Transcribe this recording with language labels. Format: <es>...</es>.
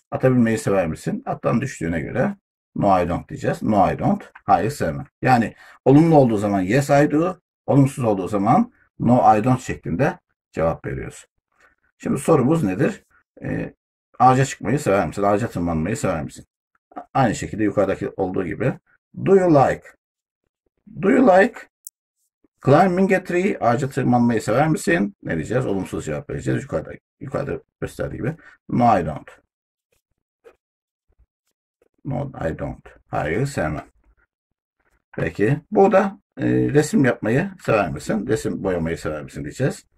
<tr>Ata binmeyi sever misin? Attan düştüğüne göre</tr> <en>no, I don't</en> <tr>diyeceğiz.</tr> <en>No, I don't.</en> <tr>Hayır, sevmem. Yani olumlu olduğu zaman</tr> <en>yes, I do.</en> <tr>Olumsuz olduğu zaman</tr> <en>no, I don't</en> <tr>şeklinde cevap veriyoruz. Şimdi sorumuz nedir? Ağaca çıkmayı sever misin? Ağaca tırmanmayı sever misin? Aynı şekilde yukarıdaki olduğu gibi.</tr> <en>Do you like climbing a tree?</en> <tr>Ağaca tırmanmayı sever misin? Ne diyeceğiz? Olumsuz cevap vereceğiz. Yukarıda gösterdiği gibi.</tr> <en>No, I don't. No, I don't.</en> <tr>Hayır, sevmem. Peki. Burada resim yapmayı sever misin? Resim boyamayı sever misin diyeceğiz.</tr>